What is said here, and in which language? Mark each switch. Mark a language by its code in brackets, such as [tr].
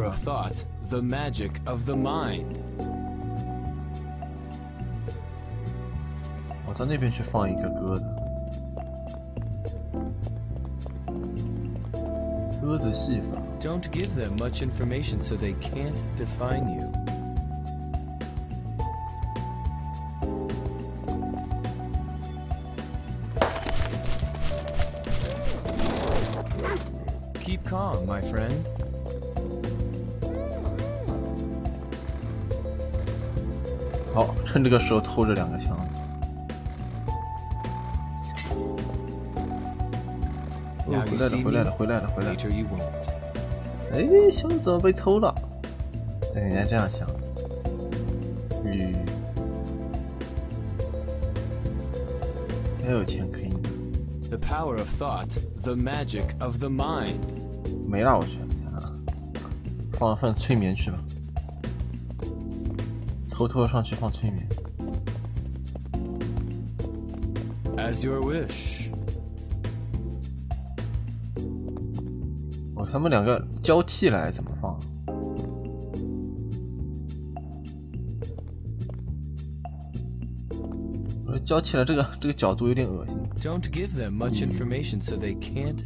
[en] ？The power of thought, the magic of the mind. [zh] 我到那边去放一个鸽子。鸽子戏法。 [en] Don't give them much information so they can't define you. Keep calm, my friend. [zh] Oh, 趁这个时候偷这两个枪。回来了，回来了，回来了，回来了。哎，箱子怎么被偷了？人家这样想。嗯，还有钱可以。 [en] The power of thought, the magic of the mind. [zh] 没了，我去，放份催眠去吧。偷偷上去放催眠。 [en] As your wish. [zh] 他们两个交替来怎么放？我说交替来，这个角度有点恶心。 [en] Don't give them much information so they can't.